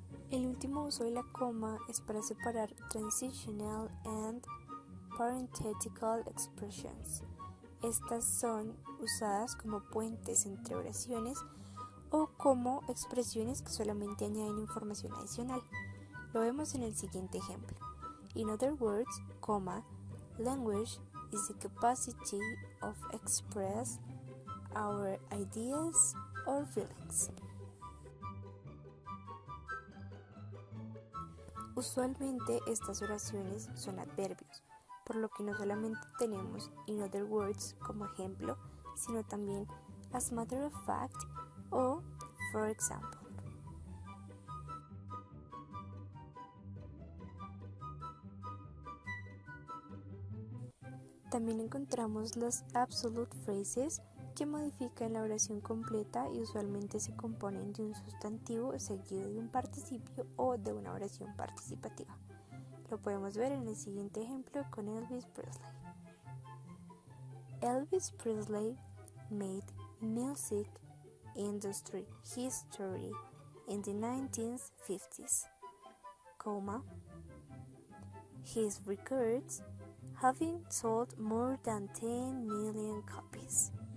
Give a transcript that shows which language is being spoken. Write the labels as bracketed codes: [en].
[es] El último uso de la coma es para separar [en] transitional and parenthetical expressions. [es] Estas son usadas como puentes entre oraciones o como expresiones que solamente añaden información adicional. Lo vemos en el siguiente ejemplo. [en] In other words, comma, language is the capacity of express our ideas or feelings. [es] Usualmente estas oraciones son adverbios, por lo que no solamente tenemos [en] in other words [es] como ejemplo, sino también [en] as a matter of fact [es] o [en] for example. [es] También encontramos las absolute phrases, que modifican la oración completa y usualmente se componen de un sustantivo seguido de un participio o de una oración participativa. Lo podemos ver en el siguiente ejemplo con Elvis Presley. [en] Elvis Presley made music industry history in the 1950s, comma, his records having sold more than 10 million copies.